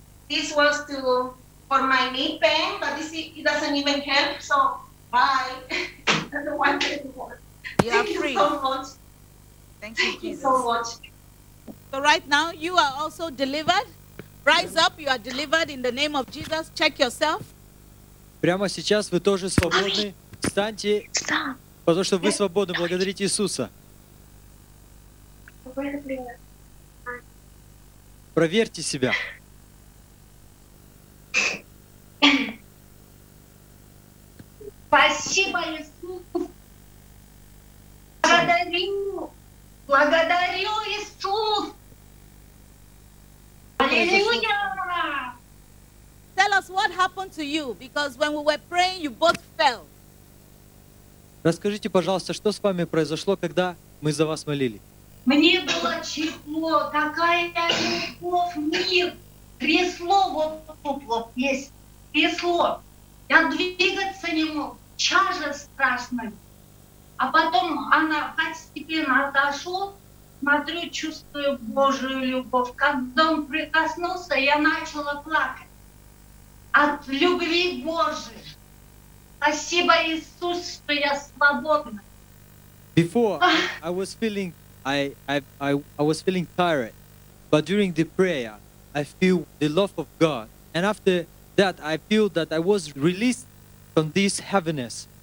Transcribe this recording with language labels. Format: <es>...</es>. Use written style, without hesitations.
<en>This was to for my knee pain, but this it doesn't even help. So bye. I don't want it anymore. You thank are free. You so much. Thank you, Jesus. Thank you so much. So right now you are also delivered. Rise up, you are delivered in the name of Jesus. Check yourself.</en> <ru>Прямо сейчас вы тоже свободны. Встаньте, потому что вы свободны. Благодарите Иисуса. Проверьте себя. Спасибо, Иисус. Благодарю. Благодарю, Иисус. Аллилуйя.</ru> <en>Tell us what happened to you, because when we were praying, you both fell.</en> <ru>Расскажите, пожалуйста, что с вами произошло, когда мы за вас молили? Мне было тепло, такая любовь, мир, кресло, вот есть кресло. Я двигаться не мог, чажа страшная. А потом она постепенно отошла, смотрю, чувствую Божию любовь. Когда он прикоснулся, я начала плакать от любви Божией. Спасибо, Иисус, что я свободна.</ru> <en>Before I was feeling... I was feeling tired, but during the prayer, I feel the love of God. And after that, I feel that I was released from this heaviness.</en>